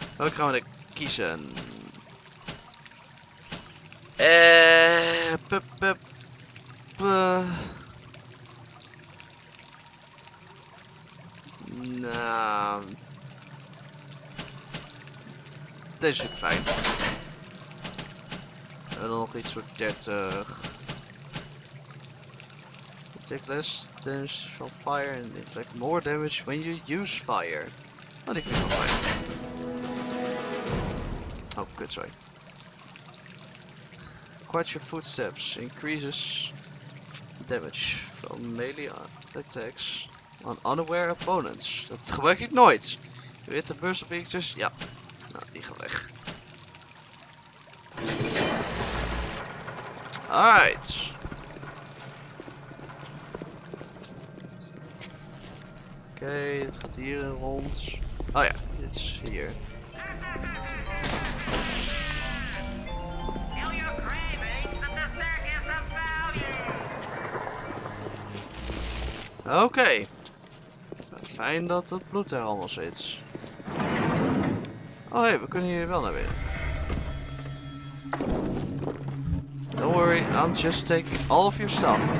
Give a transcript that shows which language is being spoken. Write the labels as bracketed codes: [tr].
[nl] Welke gaan we dan kiezen? Nou, deze is fijn. We hebben dan nog iets voor 30. [en] Take less damage from fire and inflict more damage when you use fire. [nl] Oh, die vind ik wel fijn. [en] Oh, good, sorry. Quite your footsteps increases damage from melee attacks on unaware opponents. [nl] Dat gebruik ik nooit. Witte burst pictures, ja. Nou, die gaan weg. [en] Alright. [nl] Oké, het gaat hier rond. Oh ja, dit is hier. Oké. Fijn dat het bloed er allemaal zit. Oh hey, we kunnen hier wel naar binnen. [en] Don't worry, I'm just taking all of your stuff.